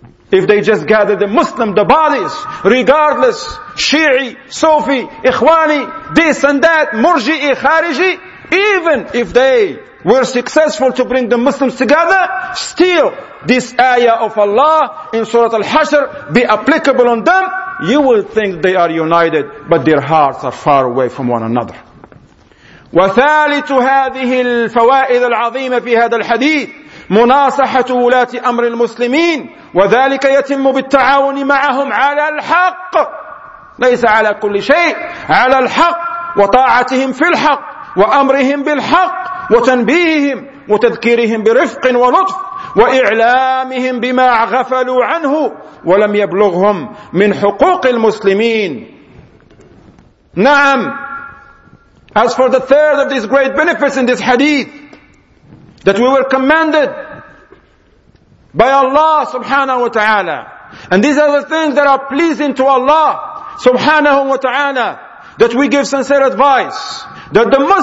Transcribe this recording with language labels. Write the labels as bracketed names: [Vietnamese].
[English] if they just gather the Muslim, the bodies, regardless, Shi'i, Sufi, Ikhwani, this and that, Murji'i, Khariji, even if they were successful to bring the Muslims together, still this ayah of Allah in Surah Al-Hashr be applicable on them, you will think they are united, but their hearts are far away from one another. [Arabic] وَثَالِثُ هَذِهِ الْفَوَائِذَ الْعَظِيمَةِ فِي هَذَا الْحَدِيثِ مُنَاصَحَةُ وُلَاةِ أَمْرِ الْمُسْلِمِينَ وَذَلِكَ يَتِمُّ بِالتَّعَاوُنِ مَعَهُمْ عَلَى الْحَقِّ, ليس على كل شيء, على الحق, وطاعتهم في الحق, وأمرهم بالحق, وتنبيههم وتذكيرهم برفق ولطف, وإعلامهم بما غفلوا عنه ولم يبلغهم من حقوق المسلمين. [English] نعم, as for the third of these great benefits in this hadith, that we were commanded by Allah subhanahu wa ta'ala, and these are the things that are pleasing to Allah subhanahu wa ta'ala, that we give sincere advice, that the